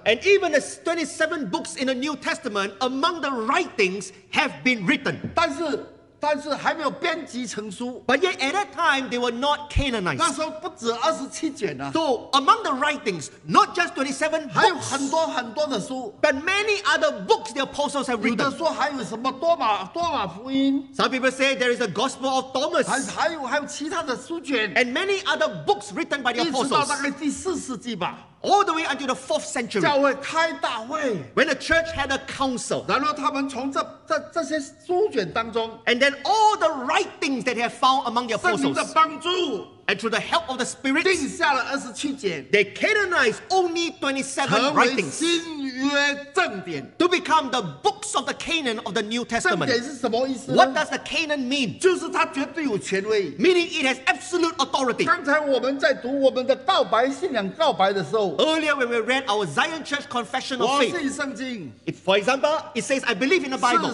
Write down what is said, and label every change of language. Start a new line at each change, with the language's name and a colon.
English: and even the 27 books in the New Testament among the writings have been written
Chinese: 但是还没有编辑成书
English: but yet at that time they were not canonized
Chinese: 那时候不止27卷啊
English: so among the writings not just 27 books
Chinese: 还有很多很多的书
English: but many other books the apostles have written
Chinese: 有的说还有什么多马福音
English: some people say there is a gospel of Thomas
Chinese: 还有其他的书卷
English: and many other books written by the apostles
Chinese: 一直到大概第四世纪吧
English: All the way until the 4th century.
Chinese: 教会开大会,
English: when the church had a council.
Chinese: 然后他们从这些书卷当中,
English: and then all the writings that they have found among the apostles.
Chinese: 圣灵的帮助,
English: and through the help of the Spirit.
Chinese: 定下了27卷,
English: they canonized only 27 writings.
Chinese: 成为新约正典,
English: to become the books of the Canon of the New Testament.
Chinese: 正典是什么意思呢?
English: What does the Canon mean?
Chinese: 就是它绝对有权威,
English: meaning it has absolute authority.
Chinese: 刚才我们在读我们的告白信仰告白的时候,
English: Earlier when we read our Zion Church Confession of Faith, it, for example, it says, I believe in the Bible.